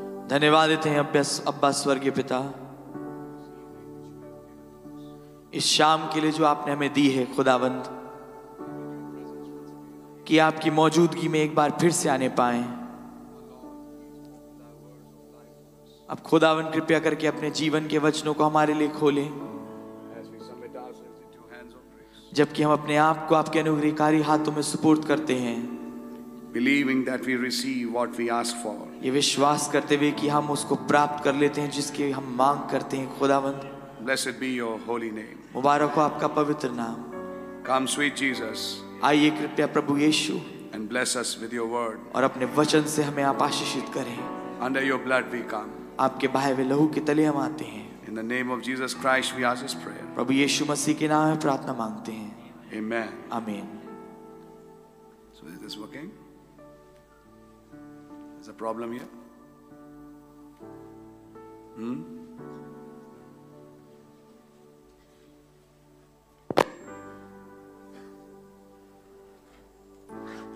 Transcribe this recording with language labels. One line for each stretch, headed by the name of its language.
Hindi: धन्यवाद देते हैं अब्बा स्वर्गीय पिता, इस शाम के लिए जो आपने हमें दी है खुदावंद, कि आपकी मौजूदगी में एक बार फिर से आने पाए. अब खुदावंद कृपया करके अपने जीवन के वचनों को हमारे लिए खोलें, जबकि हम अपने आप को आपके अनुग्रहकारी हाथों में सुपुर्द करते हैं.
English: Believing that we receive what we ask for.
Hindi: ये विश्वास करते हुए कि हम उसको प्राप्त कर लेते हैं जिसकी हम मांग करते हैं खुदावंद.
English: Blessed be your holy name.
Hindi: मुबारक हो आपका पवित्र नाम.
English: Come sweet Jesus.
Hindi: आइए कृपया प्रभु यीशु.
English: And bless us with your word.
Hindi: और अपने वचन से हमें आप आशीषित करें.
English: Under your blood we come.
Hindi: आपके बहे हुए लहू के तले हम आते हैं.
English: In the name of Jesus Christ, we ask this prayer.
Hindi: प्रभु यीशु मसीह के नाम में प्रार्थना मांगते हैं.
English: Amen. Amen. So is this working? Is a problem here? Hmm?